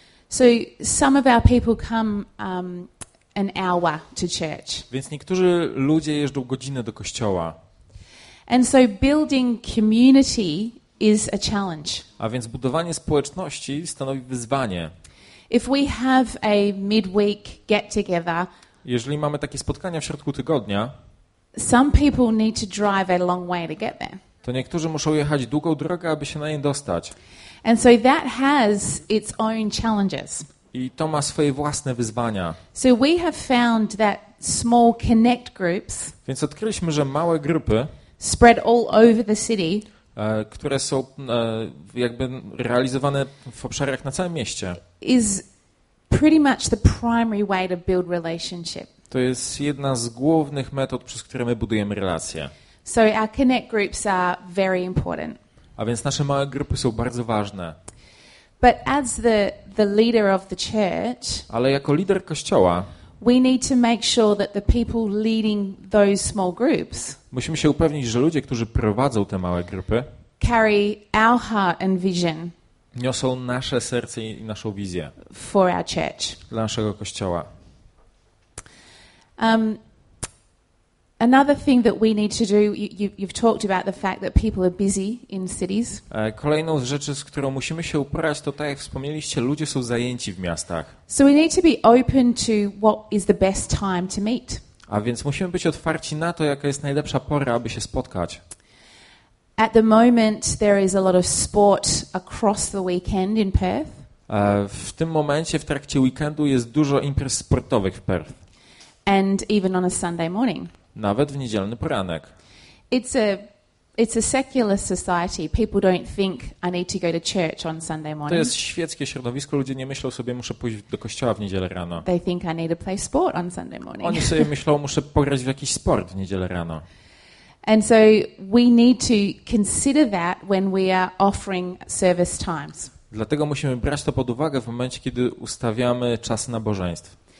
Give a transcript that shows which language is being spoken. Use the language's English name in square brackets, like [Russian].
[English] So some of our people come an hour to church. [Polish] Więc niektórzy ludzie jeżdżą godzinę do kościoła. [English] And so building community is a challenge. [Polish] A więc budowanie społeczności stanowi wyzwanie. [English] If we have a midweek get together, [Polish] jeżeli mamy takie spotkania w środku tygodnia, [English] some people need to drive a long way to get there. [Polish] To niektórzy muszą jechać długą drogę, aby się na nie dostać. [English] And so that has its own challenges. [Polish] I to ma swoje własne wyzwania. [English] So we have found that small connect groups, [Polish] więc odkryliśmy, że małe grupy [English] spread all over the city, [Polish] które są jakby realizowane w obszarach na całym mieście. [English] Is pretty much the primary way to build relationship. [Polish] To jest jedna z głównych metod, przez które my budujemy relacje. [English] So our connect groups are very important. [Polish] A więc nasze małe grupy są bardzo ważne. [English] But as the leader of the church, [Polish] ale jako lider kościoła, [English] we need to make sure that the people leading those small groups, [Polish] musimy się upewnić, że ludzie, którzy prowadzą te małe grupy, [English] carry our heart and vision, [Polish] niosą nasze serce i naszą wizję [English] for our church, [Polish] dla naszego kościoła. [English] Another thing that we need to do, you've talked about the fact that people are busy in cities. [Polish] Kolejną z rzeczy, z którą musimy się uporać, to tak jak wspomnieliście, ludzie są zajęci w miastach. [English] So we need to be open to what is the best time to meet. [Polish] A więc musimy być otwarci na to, jaka jest najlepsza pora, aby się spotkać. [English] At the moment there is a lot of sport across the weekend in Perth. [Polish] W tym momencie, w trakcie weekendu jest dużo imprez sportowych w Perth. [English] And even on a Sunday morning. [Polish] Nawet w niedzielny poranek. [English] It's a secular society. People don't think I need to go to church on Sunday morning. [Polish] To jest świeckie środowisko. Ludzie nie myślą sobie, muszę pójść do kościoła w niedzielę rano. [English] They think I need to play sport on Sunday morning. [Polish] Oni sobie myślą, muszę pograć w jakiś sport w niedzielę rano. [English] And so we need to consider that when we are offering service times. [Polish] Dlatego musimy brać to pod uwagę w momencie, kiedy ustawiamy czas nabożeństw.